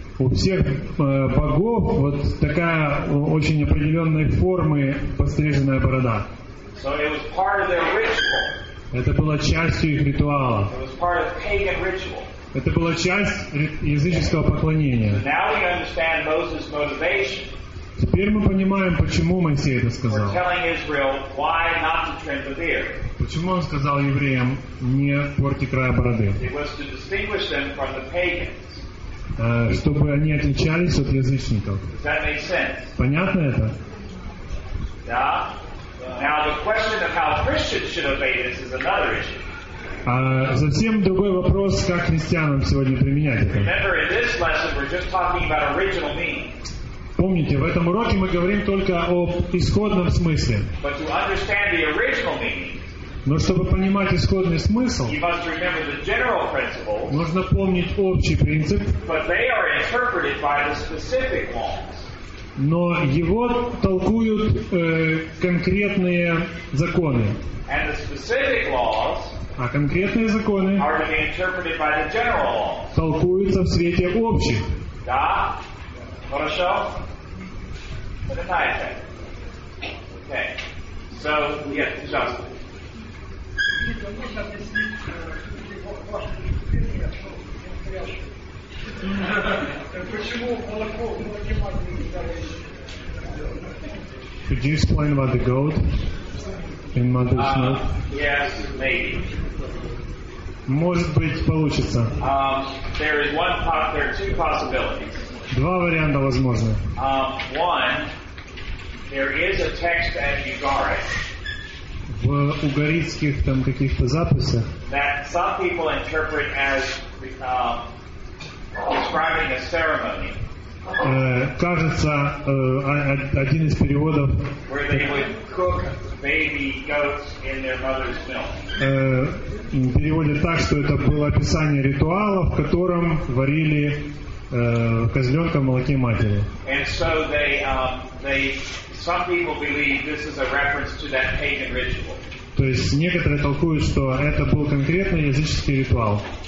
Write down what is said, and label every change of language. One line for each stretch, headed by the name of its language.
Russian: У всех богов вот такая очень определенной формы подстриженная борода.
English: So it was part of their ritual.
Russian: Это было частью их ритуала.
English: It was part of pagan ritual.
Russian: Это была часть языческого поклонения.
English: So now we understand Moses' motivation.
Russian: Теперь мы понимаем, почему Моисей это сказал.
English: We're telling Israel why not to trim the beard.
Russian: Почему он сказал евреям не порти края бороды?
English: It was to distinguish them from the pagans.
Russian: Чтобы они отличались от язычников.
English: Does that make sense?
Russian: Понятно это? Да.
English: Now the question of how Christians should obey this is another issue.
Russian: Затем другой вопрос, как христианам сегодня применять это.
English: Remember, in this lesson we're just talking about original meaning.
Russian: Помните, в этом уроке мы говорим только об исходном смысле.
English: But to understand the original meaning,
Russian: но чтобы понимать исходный смысл,
English: you must remember the general principles,
Russian: нужно помнить общий принцип.
English: But they are interpreted by the specific ones.
Russian: Но его толкуют конкретные законы.
English: And the specific laws,
Russian: а конкретные законы
English: are to be interpreted by the general laws.
Russian: Толкуются в свете общих. Да? Хорошо?
English: Okay. So, yes, just. Could you explain about the goat in mother's milk? Yes, maybe.
Russian: Может быть, получится.
English: There is one there are two possibilities.
Russian: Два варианта возможны.
English: One, there is a text at Ugarit.
Russian: В угаритских там каких-то записях.
English: That some people interpret as describing a ceremony.
Russian: Кажется, один из переводов,
English: where they would cook baby goats in their mother's milk.
Russian: Переводят так, что это было описание ритуала, в котором варили козленка в молоке матери.
English: And so they some people believe this is a reference to that pagan ritual.
Russian: То есть некоторые толкуют, что это был конкретный языческий ритуал.